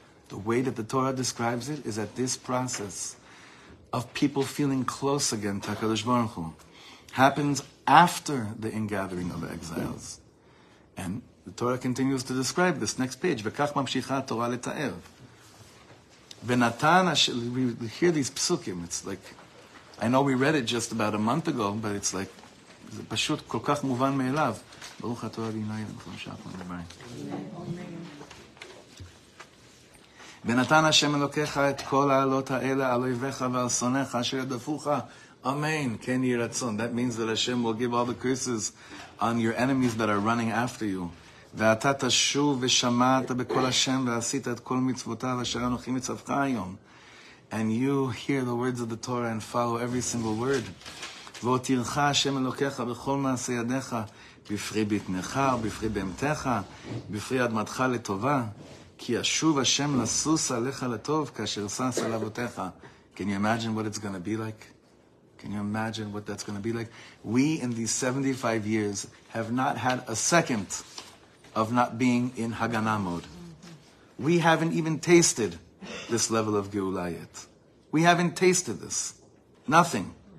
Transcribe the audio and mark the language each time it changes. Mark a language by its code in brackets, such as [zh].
[en] The way that the Torah describes it is that this process of people feeling close again to HaKadosh Baruch Hu happens after the ingathering of exiles. And the Torah continues to describe this. Next page. [he] V'kach mamshicha Torah leta'er. V'natan Hashem, [en] we hear these psukim. It's like, I know we read it just about a month ago, but it's like, [he] זה פשוט כל כך מובן מאליו. ברוך אתה ה' אלוהינו מלך העולם שהכול נהיה בדברו. V'natan Hashem אלוקיך את כל העלות האלה על אויביך ועל שונאיך אשר ידפוך. Amen. כן יהי רצון. [en] That means that Hashem will give all the curses on your enemies that are running after you. [he] ואתה תשוב ושמעת בכל השם ועשית את כל מצוותיו אשר אנוכי מצווך היום. [en] And you hear the words of the Torah and follow every single word. [he] ואותירך השם אלוקיך בכל מעשה ידיך, בפרי בטנך ובפרי בהמתך, בפרי אדמתך לטובה, כי ישוב השם לסוס עליך לטוב כאשר סס על אבותיך. [en] Can you imagine what it's going to be like? Can you imagine what that's going to be like? We in these 75 years have not had a second of not being in Haganah mode. We haven't even tasted this level of Geulah yet. We haven't tasted this. Nothing.